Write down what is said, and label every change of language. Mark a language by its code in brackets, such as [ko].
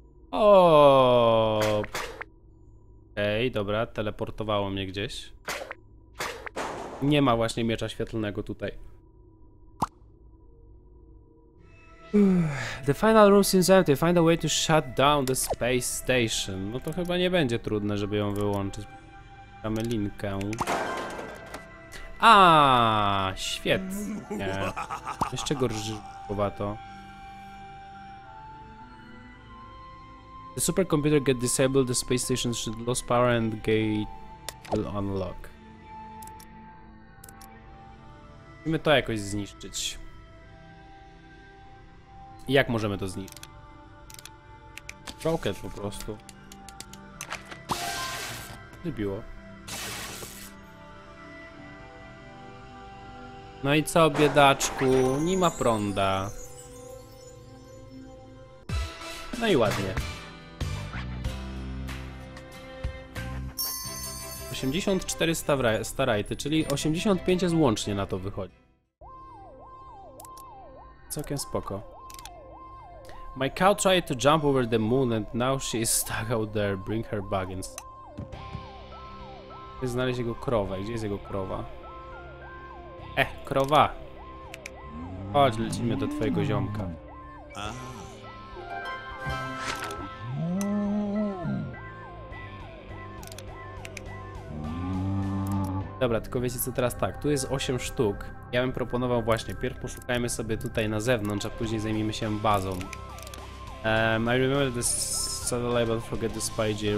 [pl] O. Ej, dobra, teleportowało mnie gdzieś. Nie ma właśnie miecza świetlnego tutaj. [en] The final room seems empty. Find a way to shut down the space station. [pl] No to chyba nie będzie trudne, żeby ją wyłączyć. Mamy linkę. Aaaa, świetnie. Jeszcze gorzkowato. [en] The supercomputer get disabled, the space station should lose power and gate will unlock. [pl] Musimy to jakoś zniszczyć. Jak możemy to zniszczyć? Rocket po prostu. Zrobiło. No i co, biedaczku? Nie ma prąda. No i ładnie. 84 starajty, czyli 85 jest łącznie na to wychodzi. Całkiem spoko. [en] My cow tried to jump over the moon and now she is stuck out there. Bring her buggins. [pl] Znaleźć jego krowę. Gdzie jest jego krowa? Krowa! Chodź, lecimy do twojego ziomka. Dobra, tylko wiecie co teraz tak, tu jest 8 sztuk. Ja bym proponował właśnie, pierw poszukajmy sobie tutaj na zewnątrz, a później zajmijmy się bazą. [en] I remember this satellite, but forget the spy gear.